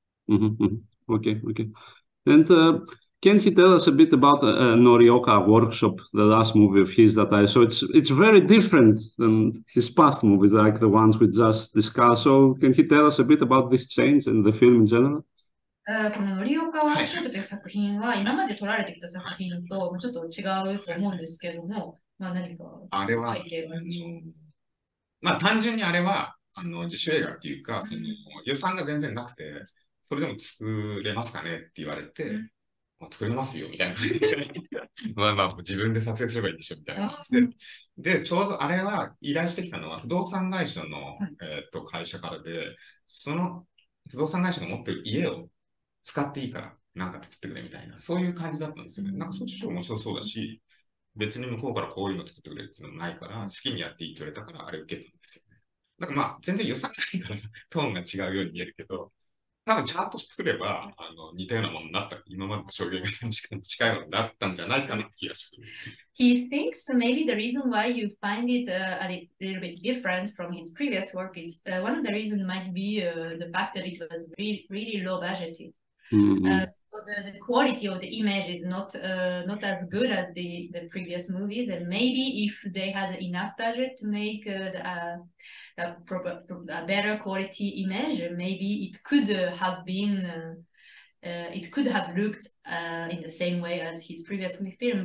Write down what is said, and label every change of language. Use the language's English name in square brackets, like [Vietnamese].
[English] Mm-hmm. Okay. And can he tell us a bit about Norioka workshop, the last movie of his that I saw? It's very different than his past movies, like the ones we just discussed. So can he tell us a bit about this change and the film in general? [Japanese] このノリオカワークショップという作品は今まで撮られてきた作品とちょっと違うと思うんですけれども、まあ、何か背景あれは、まあ、単純にあれは自主映画っていうか、その予算が全然なくて、それでも作れますかねって言われて、作れますよみたいな。まあ自分で撮影すればいいんでしょみたいな。で、ちょうどあれは依頼してきたのは不動産会社の、会社からで、その不動産会社が持ってる家を使っていいから何か作ってくれみたいな、そういう感じだったんですよね。なんかそっちも面白そうだし、別に向こうからこういうの作ってくれっていうのもないから、好きにやっていいって言われたからあれ受けたんですよね。なんかまあ全然予算ないからトーンが違うように見えるけど、なんかちゃんと作れば似たようなものになった、今までの証言が近いものだったんじゃないかなって気がする。 [English] He thinks maybe the reason why you find it a little bit different from his previous work is one of the reasons might be the fact that it was really low budgeted. The quality of the image is not as good as the previous movies, and maybe if they had enough budget to make a better quality image, maybe it could have been it could have looked in the same way as his previous film.